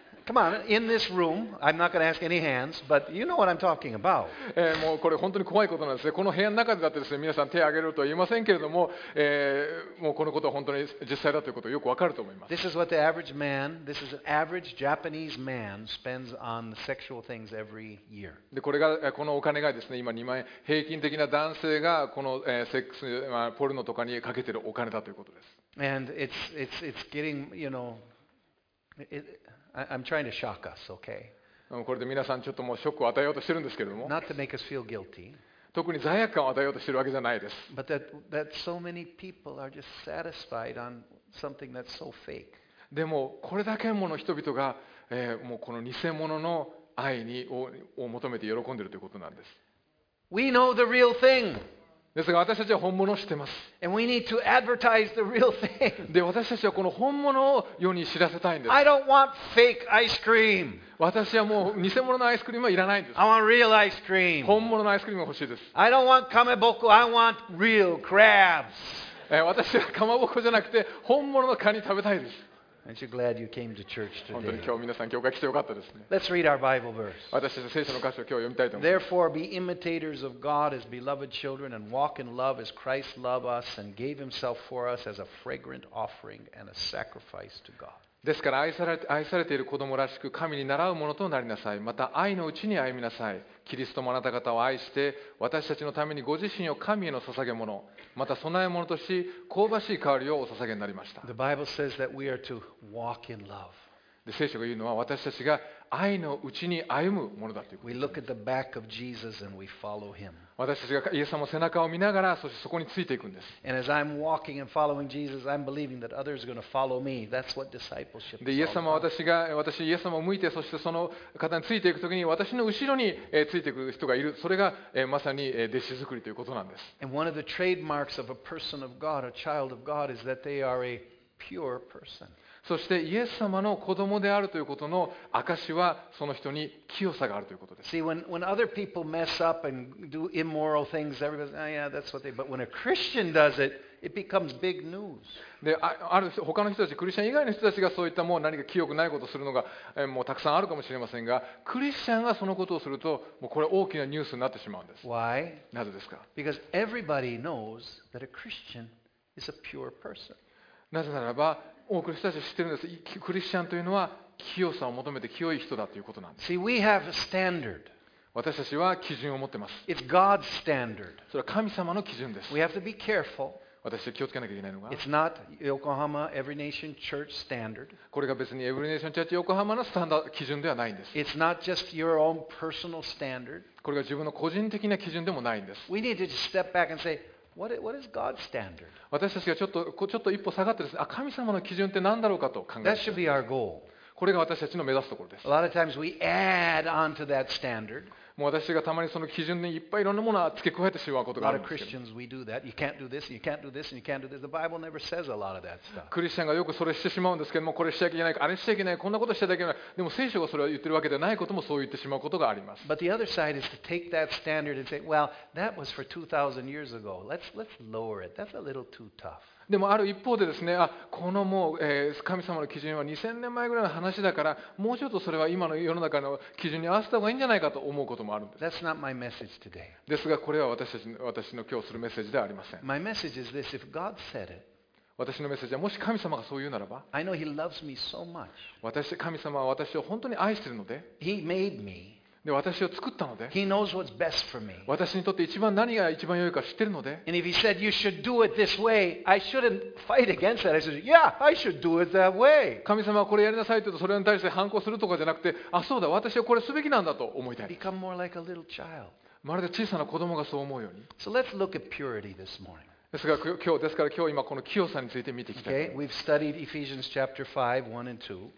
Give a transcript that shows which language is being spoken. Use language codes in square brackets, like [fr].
[en] Come on, in this room, I'm not going to ask any hands, but you know what I'm talking about. [ja] もうこれ本当に怖いことなんですね。この部屋の中でだってですね、皆さん手を挙げると言いませんけれども、もうこのことは本当に実際だということをよくわかると思います。 [en] This is what the average man, this is an average Japanese man spends on sexual things every year. [ja] で、これが、このお金がですね、今2万円、平均的な男性がこの、セックス、まあ、ポルノとかにかけてるお金だということです。 [en] And it's getting, you know, I'm trying to shock us, okay? [ja] これで皆さんちょっともうショックを与えようとしてるんですけれども。 [en] Not to make us feel guilty. [ja] 特に罪悪感を与えようとしているわけじゃないです。 [en] But that so many people are just satisfied on something that's so fake. [ja] でもこれだけもの人々が、もうこの偽物の愛に を求めて喜んでいるということなんです。 [en] We know the real thing. [ja] ですが私たちは本物を知ってます。 [en] And we need to advertise the real thing. [ja] で私たちはこの本物を世に知らせたいんです。 [en] I don't want fake ice cream. [ja] 私はもう偽物のアイスクリームはいらないんです。 [en] I want real ice cream. [ja] 本物のアイスクリームが欲しいです。 [en] I don't want かまぼこ。 I want real crabs. [ja] 私はかまぼこじゃなくて本物のカニ食べたいです。 [en] Aren't you glad you came to church today? [ja] 本当に今日皆さん教会来てよかったですね。 [en] Let's read our Bible verse. [ja] 私たち聖書の箇所を今日読みたいと思います。 [en] Therefore, be imitators of God as beloved children, and walk in love as Christ loved us and gave Himself for us as a fragrant offering and a sacrifice to God. [ja] ですから愛されている子供らしく神に習うものとなりなさい。また愛のうちに歩みなさい。キリストもあなた方を愛して私たちのためにご自身を神への捧げ物、また供え物とし香ばしい香りをお捧げになりました。 [en] The Bible says that we are to walk in love. [ja] で聖書が言うのは私たちが愛のうちに歩むものだということです。 [en] We look at the back of Jesus and we follow him. [ja] 私たちがイエス様の背中を見ながら、そしてそこについていくんです。 [en] And as I'm walking and following Jesus, I'm believing that others are going to follow me. That's what discipleship is. [ja] で、イエス様は私イエス様を向いて、そしてその方についていくときに、私の後ろについていく人がいる。それがまさに弟子作りということなんです。 [en] And one of the trademarks of a person of God, a child of God, is that they are a pure person. [ja] そしてイエス様の子供であるということの証はその人に清さがあるということです。 [en] See, when other people mess up and do immoral things, everybody says, yeah, that's what they do. But when a Christian does it, it becomes big news. [ja] で、ある他の人たち、クリスチャン以外の人たちがそういったもう何か清くないことをするのがもうたくさんあるかもしれませんが、クリスチャンがそのことをすると、もうこれ大きなニュースになってしまうんです。 [en] Why? [ja] なぜですか? [en] Because everybody knows that a Christian is a pure person. [ja] なぜならば、多くの人たちは知ってるんです。クリスチャンというのは清さを求めて清い人だということなんです。 [en] See, we have a standard. [ja] 私たちは基準を持ってます。 [en] It's God's standard. [ja] それは神様の基準です。 [en] We have to be careful. [ja] 私たちは気をつけなきゃいけないのが。 [en] It's not Yokohama Every Nation Church standard. [ja] これが別に Every Nation Church Yokohama のスタンダード基準ではないんです。 [en] It's not just your own personal standard. [ja] これが自分の個人的な基準でもないんです。 [en] We need to just step back and say,What is God's standard? [ja] 私たちがちょっと一歩下がってですね、神様の基準って何だろうかと考えます。 [en] That should be our goal. [ja] これが私たちの目指すところです。 [en] A lot of times we add on to that standard. [ja] もう私がたまにその基準にいっぱいいろんなものを付け加えてしまうことがあるんです [en] よ。A lot of Christians we do that. You can't do this, and you can't do this, and you can't do this. The Bible never says a lot of that stuff. [ja] クリスチャンがよくそれしてしまうんですけども、これしちゃいけない、あれしちゃいけない、こんなことしちゃいけない。でも聖書がそれを言ってるわけではないこともそう言ってしまうことがあります。 [en] But the other side is to take that standard and say, well, that was for 2,000 years ago. Let's lower it. That's a little too tough. [ja] でもある一方でですね、このもう神様の基準は2000年前ぐらいの話だから、もうちょっとそれは今の世の中の基準に合わせた方がいいんじゃないかと思うこともあるんです。 [en] That's not my message today. [ja] ですがこれは私の今日するメッセージではありません。 [en] My message is this: if God said it. [ja] 私のメッセージはもし神様がそう言うならば、 [en] I know He loves me so much. [ja] 神様は私を本当に愛しているので、 [en] He made me. [ja] で私を作ったので [en] He knows what's best for me. [ja] 私にとって一番何が一番良いか知ってるので [en] And if he said you should do it this way, I shouldn't fight against that. I said, yeah, I should do it that way. [ja] 神様はこれやりなさいと言うとそれに対して反抗するとかじゃなくて、あ、そうだ、私はこれすべきなんだと思いたい。 [en] Become more like a little child. [ja] まるで小さな子供がそう思うように。 [en] So let's look at purity this morning. [ja] ですから今日今この清さについて見ていきたい。 [en] Okay, we've studied Ephesians chapter 5, 1 and 2.